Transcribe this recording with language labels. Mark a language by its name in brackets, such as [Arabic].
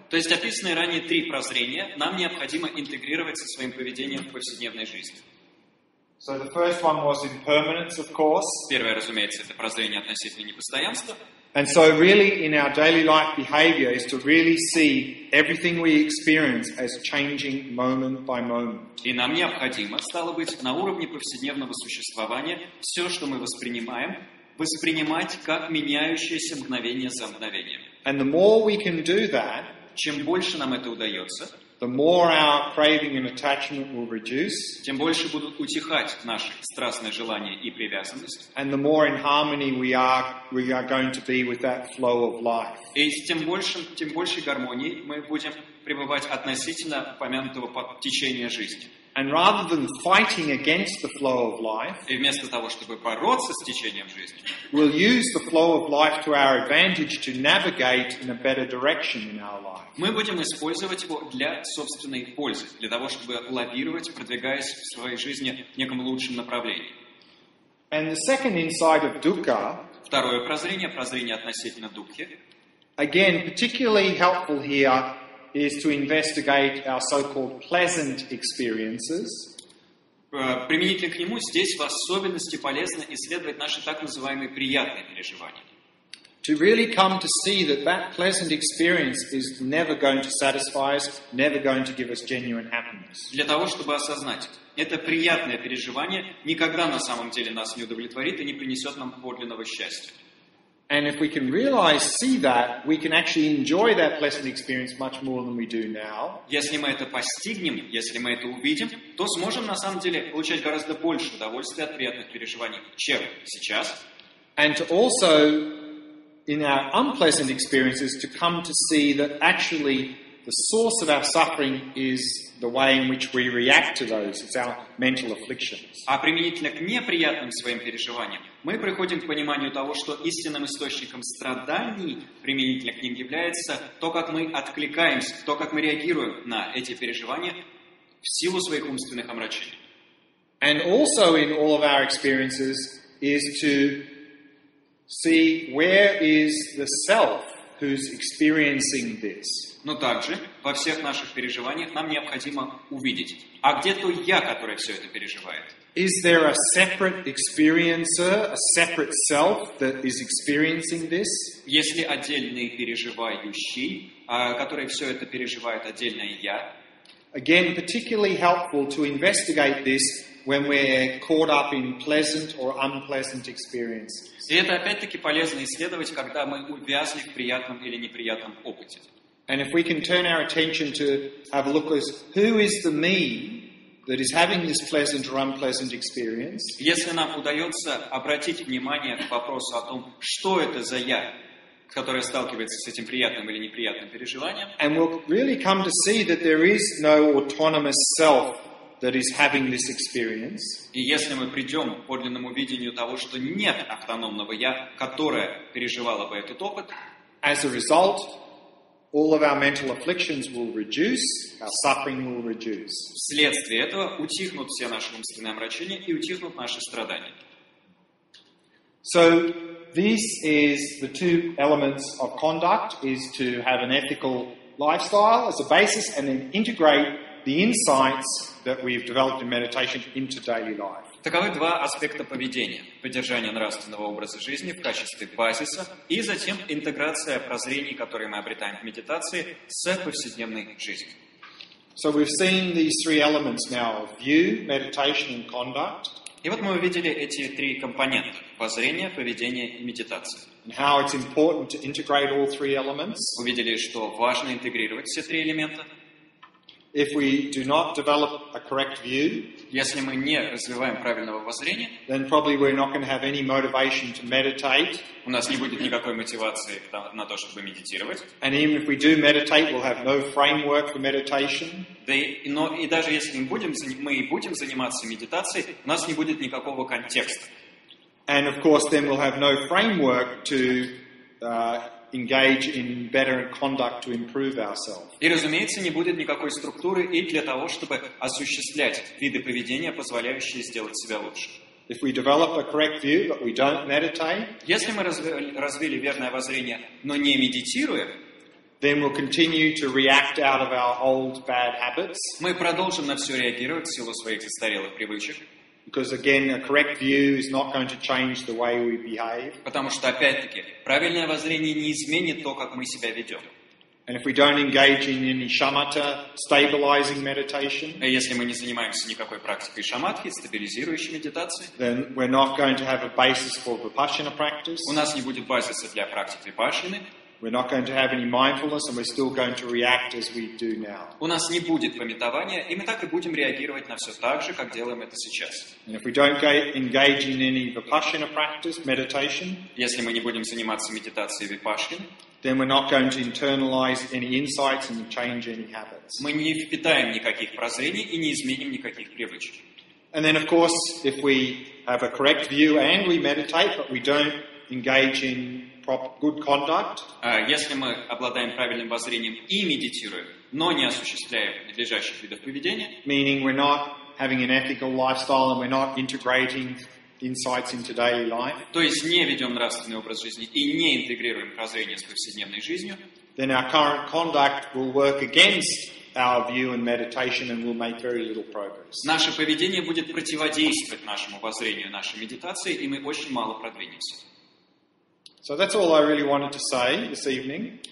[Russian] То есть описанные ранее три прозрения нам необходимо интегрировать со своим поведением в повседневной жизни. [English] So the first one was impermanence, of course. [Russian] Первое, разумеется, это прозрение относительно непостоянства. [English] And so really in our daily life behavior is to really see everything we experience as changing moment by moment. [Russian] И нам необходимо, стало быть, на уровне повседневного существования все, что мы воспринимаем, воспринимать как меняющееся мгновение за мгновением. [English] And the more we can do that, [Russian] чем больше нам это удается, [English] the more our craving and attachment will reduce, [Russian] тем больше будут утихать наши страстные желания и привязанность, [English] and the more in harmony we are going to be with that flow of life. [Russian] И тем большей гармонией мы будем пребывать относительно упомянутого течения жизни. [English] And rather than fighting against the flow of life, [Russian] и вместо того, чтобы бороться с течением жизни, [English] we'll use the flow of life to our advantage to navigate in a better direction in our life. [Russian] Мы будем использовать его для собственной пользы, для того, чтобы лавировать, продвигаясь в своей жизни в неком лучшем направлении. [English] And the second insight of dukkha, [Russian] второе прозрение относительно дукхи, [English] again, particularly helpful here, is to investigate our so-called pleasant experiences. [Russian] Применительно к нему здесь в особенности полезно исследовать наши так называемые приятные переживания. [English] To really come to see that pleasant experience is never going to satisfy us, never going to give us genuine happiness. [Russian] Для того, чтобы осознать, это приятное переживание никогда на самом деле нас не удовлетворит и не принесет нам подлинного счастья. [English] And if we can realize, see that, we can actually enjoy that pleasant experience much more than we do now. [Russian] Если мы это постигнем, если мы это увидим, то сможем на самом деле получать гораздо больше удовольствия от приятных переживаний, чем сейчас. [English] And to also, in our unpleasant experiences, to come to see that actually the source of our suffering is the way in which we react to those. It's our mental afflictions. [Russian] А применительно к неприятным своим переживаниям, мы приходим к пониманию того, что истинным источником страданий применительно к ним является то, как мы откликаемся, то, как мы реагируем на эти переживания в силу своих умственных омрачений. [English] And also in all of our experiences is to see where is the self who's experiencing this. [Russian] Но также во всех наших переживаниях нам необходимо увидеть, а где то я, которое все это переживает? [English] Is there a separate experiencer, a separate self that is experiencing this? [Russian] Есть ли отдельный переживающий, который все это переживает, отдельное я? [English] Again, particularly helpful to investigate this when we're caught up in pleasant or unpleasant experiences. [Russian] И это опять-таки полезно исследовать, когда мы увязли в приятном или неприятном опыте. [English] And if we can turn our attention to have a look at who is the me that is having this pleasant or unpleasant experience. [Russian] Если нам удается обратить внимание к вопросу о том, что это за я, которое сталкивается с этим приятным или неприятным переживанием, [English] and we'll really come to see that there is no autonomous self that is having this experience. [Russian] И если мы придем к подлинному видению того, что нет автономного я, которое переживало бы этот опыт, [English] as a result, All of our mental afflictions will reduce, our suffering will reduce. [Russian] Вследствие этого утихнут все наши умственные омрачения и утихнут наши страдания. [English] So this is the two elements of conduct, is to have an ethical lifestyle as a basis and then integrate the insights that we've developed in meditation into daily life. [Russian] Таковы два аспекта поведения: поддержание нравственного образа жизни в качестве базиса и затем интеграция прозрений, которые мы обретаем в медитации, с повседневной жизнью. [English] So we've seen these three elements now of view, meditation and conduct. [Russian] И вот мы увидели эти три компонента: воззрение, поведение и медитация. [English] And how it's important to integrate all three elements. [Russian] Увидели, что важно интегрировать все три элемента. [English] If we do not develop a correct view, [Russian] если мы не развиваем правильного воззрения, [English] then probably we're not going to have any motivation to meditate. [Russian] У нас не будет никакой мотивации на то, чтобы медитировать. [English] And even if we do meditate, we'll have no framework for meditation. [Russian] Да и, но, и даже если мы будем заниматься медитацией, у нас не будет никакого контекста. [English] And of course, then we'll have no framework to engage in better conduct to improve ourselves. [Russian] И, разумеется, не будет никакой структуры и для того, чтобы осуществлять виды поведения, позволяющие сделать себя лучше. [English] If we develop a correct view, but we don't meditate, [Russian] если мы развили верное воззрение, но не медитируем, [English] then we'll continue to react out of our old bad habits. [Russian] Мы продолжим на все реагировать в силу своих застарелых привычек. [English] Because again, a correct view is not going to change the way we behave. [Russian] Потому что опять-таки правильное воззрение не изменит то, как мы себя ведем. [English] And if we don't engage in any shamatha, stabilizing meditation, [Russian] если мы не занимаемся никакой практикой шаматхи, стабилизирующей медитацией, [English] then we're not going to have a basis for vipassana practice. [Russian] У нас не будет базиса для практики випассаны. [English] We're not going to have any mindfulness, and we're still going to react as we do now. [Russian] У нас не будет памятования, и мы так и будем реагировать на все так же, как делаем это сейчас. [English] And if we don't engage in any vipassana practice, meditation, [Russian] если мы не будем заниматься медитацией випассаны, [English] then we're not going to internalize any insights and change any habits. [Russian] Мы не впитаем никаких прозрений и не изменим никаких привычек. [English] And then, of course, if we have a correct view and we meditate, but we don't engage in good conduct, [Russian] если мы обладаем правильным воззрением и медитируем, но не осуществляем надлежащих видов поведения, [English] meaning we're not having an ethical lifestyle and we're not integrating insights into daily life, [Russian] то есть не ведем нравственный образ жизни и не интегрируем прозрение с повседневной жизнью, [English] then our current conduct will work against our view and meditation and will make very little progress. [Russian] Наше поведение будет противодействовать нашему воззрению, нашей медитации, и мы очень мало продвинемся. [English] So that's all I really wanted to say this evening.